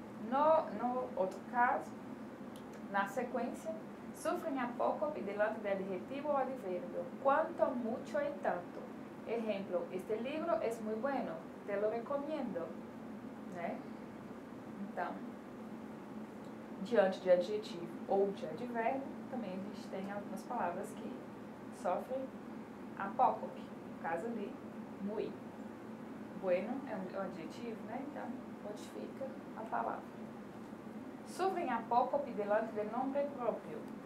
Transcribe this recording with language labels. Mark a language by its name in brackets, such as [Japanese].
[Portuguese] No outro caso, na sequência, sufrem apócope delante de adjetivo ou adverbio. Quanto, mucho e tanto. [Spanish] Ejemplo, este libro es muy bueno, te lo recomiendo. [Portuguese] Né? Então, diante de adjetivo ou de adverbio, também a gente tem algumas palavras que sofrem apócope. No caso ali, muy. Bueno é um adjetivo, né? Então, modifica a palavra. [Spanish] Sufrem apócope delante de nome próprio.